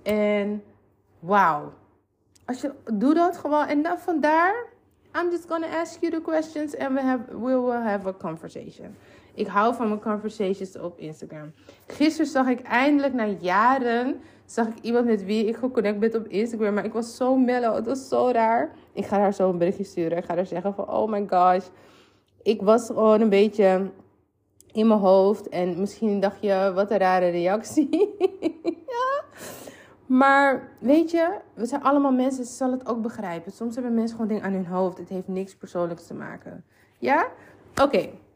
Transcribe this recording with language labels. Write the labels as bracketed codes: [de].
[nl] En wauw. Doe dat gewoon. En dan vandaar, [en] I'm just gonna ask you the questions and we will have a conversation. [nl] Ik hou van mijn conversations op Instagram. Gisteren zag ik eindelijk na jaren, zag ik iemand met wie ik geconnect ben op Instagram. Maar ik was zo mellow, het was zo raar. Ik ga haar zo een berichtje sturen. Ik ga haar zeggen van, [en] oh my gosh. [nl] Ik was gewoon een beetje in mijn hoofd. En misschien dacht je, wat een rare reactie. Ja. Maar weet je, we zijn allemaal mensen, ze zal het ook begrijpen. Soms hebben mensen gewoon dingen aan hun hoofd. Het heeft niks persoonlijks te maken. Ja? Oké.